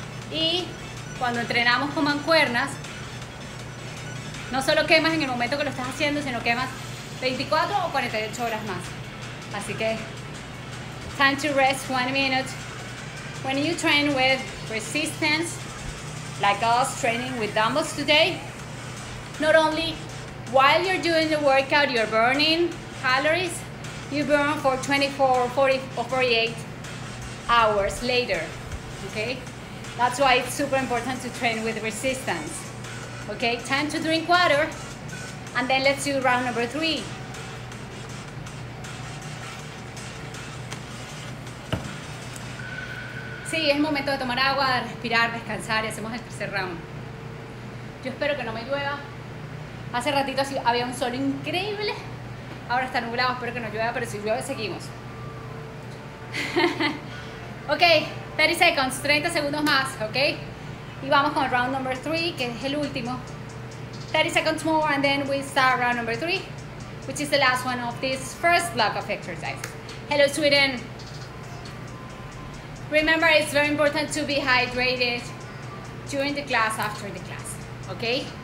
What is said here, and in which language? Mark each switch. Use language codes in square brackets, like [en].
[es] Y cuando entrenamos con mancuernas, no solo quemas en el momento que lo estás haciendo, sino quemas 24 o 48 horas más. Así que, [en] time to rest 1 minute. When you train with resistance, like us training with dumbbells today, not only while you're doing the workout, you're burning calories, you burn for 24, 40, or 48 hours later, okay? That's why it's super important to train with resistance, okay? Time to drink water, and then let's do round number 3. [es] Sí, es momento de tomar agua, respirar, descansar, y hacemos el tercer round. Yo espero que no me llueva. Hace ratito había un sol increíble, ahora está nublado, espero que no llueva, pero si llueve seguimos. Ok, [en] 30 seconds, [es] 30 segundos más, ok? Y vamos con el [en] round number 3, [es] que es el último. [en] 30 seconds more and then we start round number 3, which is the last one of this first block of exercise. Hello Sweden. Remember, it's very important to be hydrated during the class, after the class, ok?